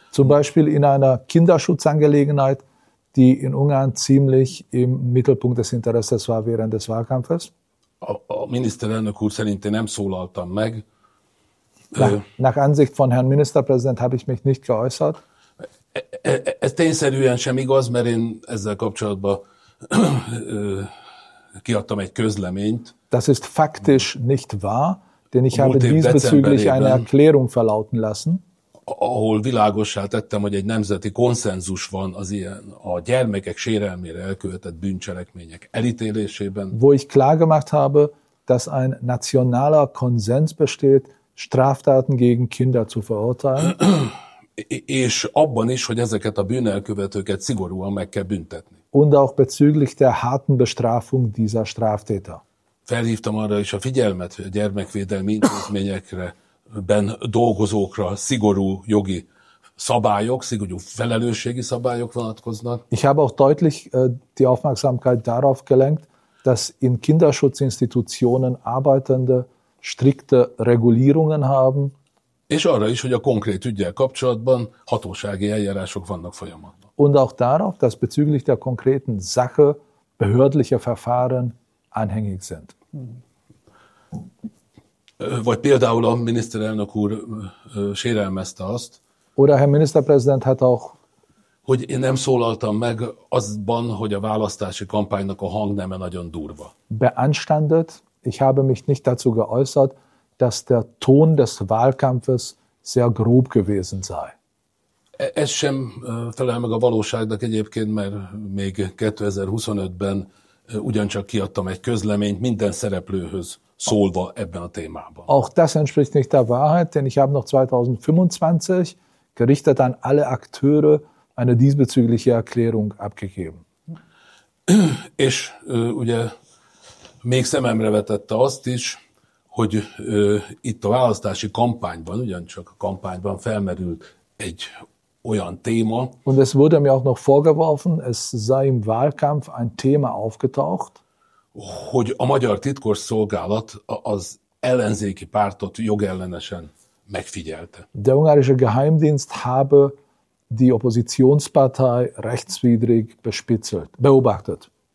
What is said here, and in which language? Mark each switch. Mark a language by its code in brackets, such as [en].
[de] Zum Beispiel in einer Kinderschutzangelegenheit, die in Ungarn ziemlich im Mittelpunkt des Interesses war während des Wahlkampfes. [hu] A miniszterelnök úr szerint én nem szólaltam meg. [de] Nach Ansicht von Herrn Ministerpräsident habe ich mich nicht geäußert. [hu] Ez tényszerűen sem igaz, mert én ezzel kapcsolatban kiadtam egy közleményt. [de] Das ist faktisch nicht wahr, denn ich habe diesbezüglich eine Erklärung verlauten lassen. [hu] Ahol világossá tettem, hogy egy nemzeti konszenzus van az ilyen a gyermekek sérelmére elkövetett bűncselekmények elítélésében. [de] Wo ich klar gemacht habe, dass ein nationaler Konsens besteht, Straftaten gegen Kinder zu verurteilen. [hu] És abban is, hogy ezeket a bűnelkövetőket szigorúan meg kell büntetni. [de] Und auch bezüglich der harten Bestrafung dieser Straftäter. [hu] Felhívtam arra is a figyelmet, hogy a gyermekvédelmi intézményekben dolgozókra szigorú jogi szabályok, szigorú felelősségi szabályok vonatkoznak. [de] Ich habe auch deutlich die Aufmerksamkeit darauf gelenkt, dass in Kinderschutzinstitutionen arbeitende strikte Regulierungen haben. [hu] És arra is, hogy a konkrét üggyel kapcsolatban hatósági eljárások vannak folyamatban. [de] Und auch darauf, dass bezüglich der konkreten Sache behördliche Verfahren anhängig sind. [hu] Vagy például a miniszterelnök úr sérelmezte azt, [de] oder Herr Ministerpräsident hat auch, [hu] hogy én nem szólaltam meg azban, hogy a választási kampánynak a hangneme nagyon durva. [de] Beanstandet, ich habe mich nicht dazu geäußert, dass der Ton des Wahlkampfes sehr grob gewesen sei. [hu] Ez sem felel meg a valóságnak egyébként, mert még 2025-ben ugyancsak kiadtam egy közleményt minden szereplőhöz szólva ebben a témában. [de] Auch das entspricht nicht der Wahrheit, denn ich habe noch 2025 gerichtet an alle Akteure eine diesbezügliche Erklärung abgegeben. [hu] És ugye még szememre vetette azt is, hogy itt a választási kampányban, ugyancsak a kampányban felmerült egy olyan téma. [de] Und es wurde mir auch noch vorgeworfen, es sei im Wahlkampf ein Thema aufgetaucht. [hu] Hogy a magyar titkosszolgálat az ellenzéki pártot jogellenesen megfigyelte. [de] Der ungarische Geheimdienst habe die Oppositionspartei rechtswidrig bespitzelt, beobachtet.